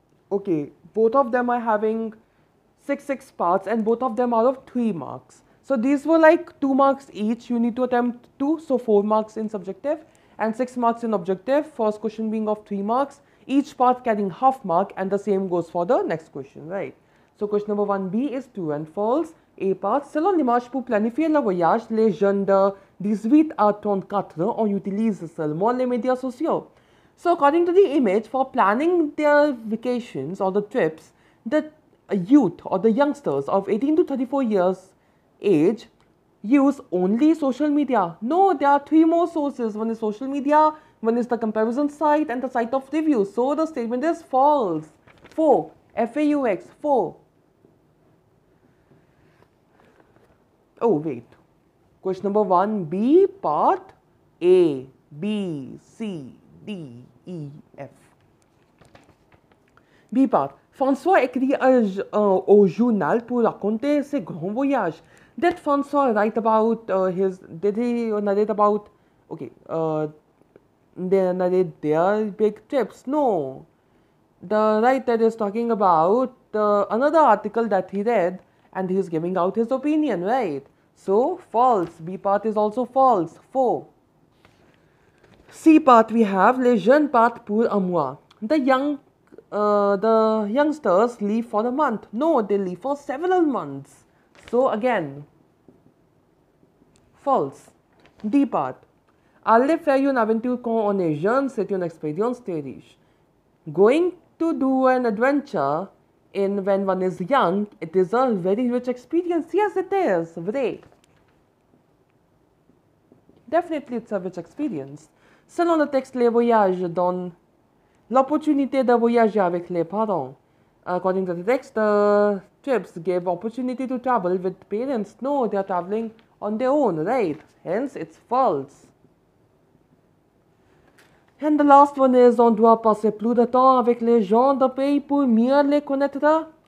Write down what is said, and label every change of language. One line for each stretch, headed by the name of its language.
English: Okay, both of them are having six parts and both of them are of 3 marks. So these were like 2 marks each. You need to attempt 2, so 4 marks in subjective and 6 marks in objective. First question being of 3 marks, each part carrying half mark, and the same goes for the next question, right? So question number 1B is true and false.
French: A part, selon l'image pour planifier le voyage, les jeunes de 18 à 34 ans utilisent seulement les médias sociaux.
English: So according to the image, for planning their vacations or the trips, the youth or the youngsters of 18 to 34 years age use only social media. No, there are 3 more sources. One is social media, one is the comparison site, and the site of review. So the statement is false. 4. F-A-U-X. 4. Oh, wait. Question number 1. B part A, B, C, D. E, F. B part.
French: François écrit au journal pour raconter ses grands voyages.
English: Did François write about their big trips? No. The writer is talking about another article that he read and he is giving out his opinion, right? So, false. B part is also false. 4. C part we have,
French: les jeunes partent pour un mois.
English: The youngsters leave for a month. No, they leave for several months. So again, False. D part.
French: Aller faire une aventure quand on est jeune, c'est une expérience très riche.
English: Going to do an adventure in when one is young, it is a very rich experience. Yes, it is.
French: Vrai.
English: Definitely, it's a rich experience.
French: Selon le texte, les voyages donnent l'opportunité de voyager avec les parents.
English: According to the text, trips give opportunity to travel with parents. No, they are traveling on their own, right? Hence, it's false. And the last one is,
French: on doit passer plus de temps avec les gens de pays pour mieux les connaître.